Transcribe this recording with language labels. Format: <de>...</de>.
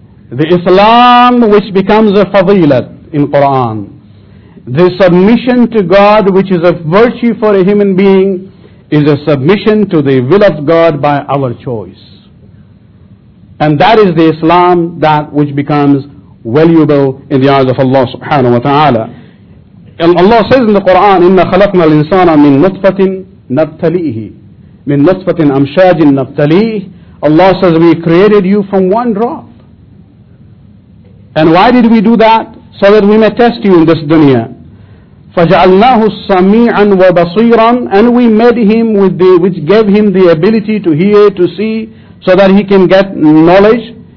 <en>The Islam which becomes a fadilat in Quran, the submission to God which is a virtue for a human being, is a submission to the will of God by our choice. And that is the Islam that which becomes valuable in the eyes of Allah subhanahu wa ta'ala. And Allah says in the Quran,</en> <ar>إِنَّ خَلَقْنَا الْإِنسَانَ مِن نُطْفَةٍ نَبْتَلِيهِ مِن نُطْفَةٍ أَمْشَاجٍ نَبْتَلِيهِ.</ar> <en>Allah says, we created you from one drop. And why did we do that? So that we may test you in this dunya.</en> <ar>فَجَعَلْنَاهُ سَمِيعًا وَبَصِيرًا.</ar> <en>And we made him with the, which gave him the ability to hear, to see, so that he can get knowledge.</en>